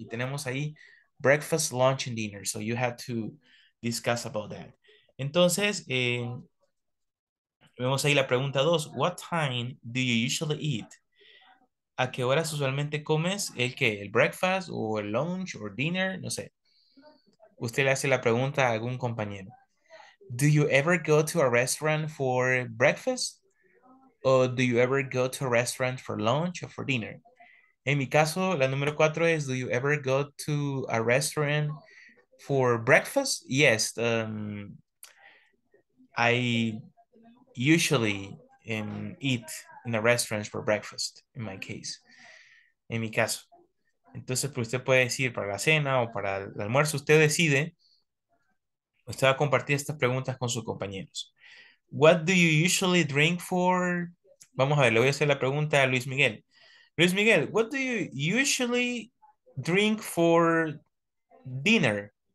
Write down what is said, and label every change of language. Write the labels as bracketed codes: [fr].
[es] Y tenemos ahí [en] breakfast, lunch, and dinner. So you have to discuss about that. [es] Entonces, vemos ahí la pregunta dos. [en] What time do you usually eat? [es] ¿A qué horas usualmente comes? ¿El qué? ¿El breakfast, o el lunch, o dinner? No sé. Usted le hace la pregunta a algún compañero. [en] Do you ever go to a restaurant for breakfast? Or do you ever go to a restaurant for lunch or for dinner? [es] En mi caso, la número cuatro es, [en] do you ever go to a restaurant for breakfast? Yes. I usually in, eat in a restaurant for breakfast, in my case, [es] en mi caso. Entonces, pues usted puede decir para la cena o para el almuerzo, usted decide, usted va a compartir estas preguntas con sus compañeros. [en] What do you usually drink for? [es] Vamos a ver, le voy a hacer la pregunta a Luis Miguel. [en] Luis Miguel, what do you usually drink for dinner?